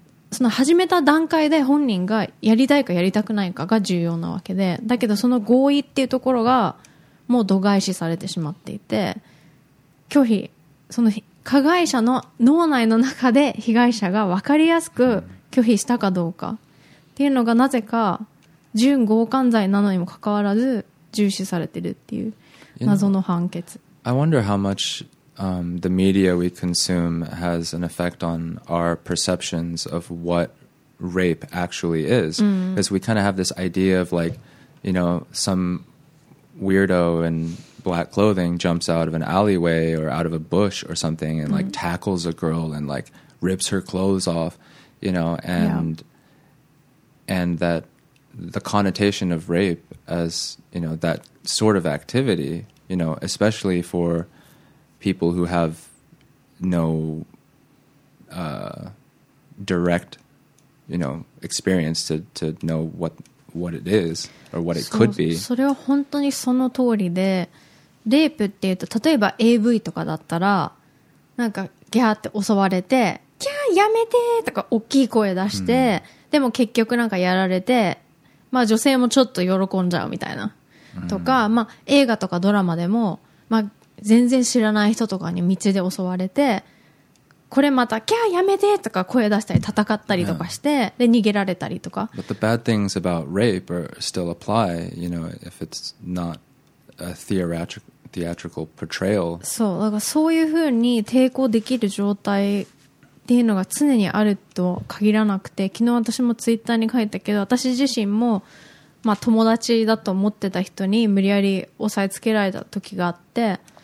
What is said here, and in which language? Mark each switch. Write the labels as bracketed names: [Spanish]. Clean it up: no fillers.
[Japanese] その始めた段階で本人がやりたいかやりたくないかが重要なわけで、だけどその合意っていうところがもう度外視されてしまっていて、拒否、その加害者の脳内の中で被害者が分かりやすく拒否したかどうかっていうのがなぜか準強姦罪なのにもかかわらず重視されてるっていう謎の判決。 [English] You know, I wonder how much, the media we consume has an effect on our perceptions of what rape actually is. Because we kind of have this idea of like, you know, some weirdo andblack clothing jumps out of an alleyway or out of a bush or something and like tackles a girl and like rips her clothes off, you know, and and that the connotation of rape as, you know, that sort of activity, you know, especially for people who have no direct, you know, experience to know what it is or what it could be. [Japanese] それは本当にその通りで、レイプっていうと例えば AV とかだったらなんかギャーって襲われて、ギャーやめてーとか大きい声出して、でも結局なんかやられて、まあ女性もちょっと喜んじゃうみたいなとか、まあ映画とかドラマでも、まあ全然知らない人とかに道で襲われてこれまたキャーやめてとか声出したり戦ったりとかして、yeah. で逃げられたりとか。 [English] But the bad things about rape are still apply, you know, if it's not a theatrical portrayal. [Japanese] そう、だからそういうふうに抵抗できる状態っていうのが常にあると限らなくて、昨日私もツイッターに書いたけど、私自身もまあ友達だと思ってた人に無理やり押さえつけられた時があって。